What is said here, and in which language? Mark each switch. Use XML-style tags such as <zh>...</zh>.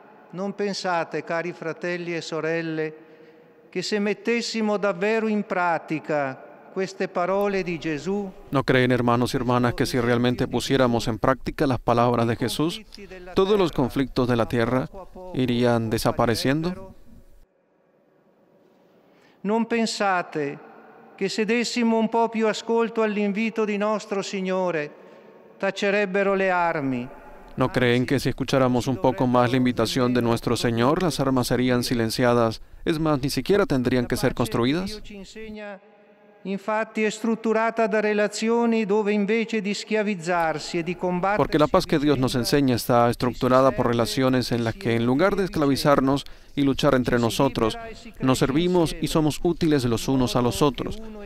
<it>Non pensate, cari fratelli e sorelle, che se mettessimo davvero in pratica queste parole di Gesù.</it> <es>No creen, hermanos y hermanas, que si realmente pusiéramos en práctica las palabras de Jesús, todos los conflictos de la tierra irían desapareciendo?</es> <it>Non pensate che se dessimo un po' più ascolto all'invito di nostro Signore, tacerebbero le armi.</it> <es>¿No creen que si escucháramos un poco más la invitación de nuestro Señor, las armas serían silenciadas? Es más, ni siquiera tendrían que ser construidas. Porque la paz que Dios nos enseña está estructurada por relaciones en las que, en lugar de esclavizarnos y luchar entre nosotros, nos servimos y somos útiles los unos a los otros.</es>